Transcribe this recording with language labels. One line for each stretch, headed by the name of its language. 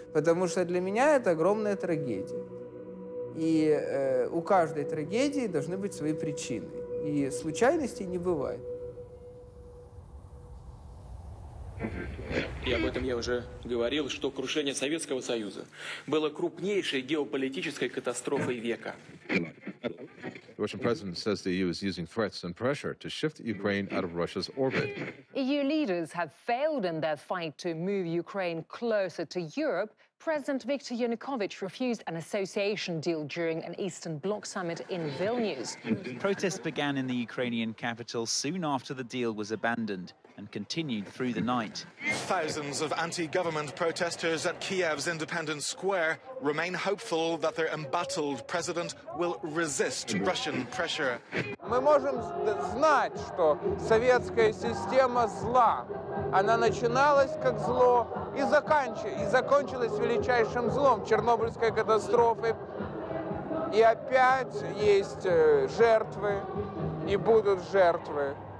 Russian: Потому что для меня это огромная трагедия. И у каждой трагедии должны быть свои причины. И случайностей не бывает. И об этом я уже говорил, что крушение Советского Союза было крупнейшей геополитической катастрофой века.
English: The Russian president says the EU is using threats and pressure to shift Ukraine out of Russia's orbit. EU leaders have failed in their fight to move Ukraine closer to Europe. President Viktor Yanukovych refused an association deal during an Eastern Bloc summit in Vilnius. Protests began in the Ukrainian capital soon after the deal was abandoned and continued through the night. Thousands of anti-government protesters at Kiev's Independence Square remain hopeful that their embattled president will resist Russian pressure.
Russian: Мы можем знать, что советская система зла. Она начиналась как зло и закончилась величайшим злом, Чернобыльской катастрофой. И опять есть жертвы, и будут жертвы.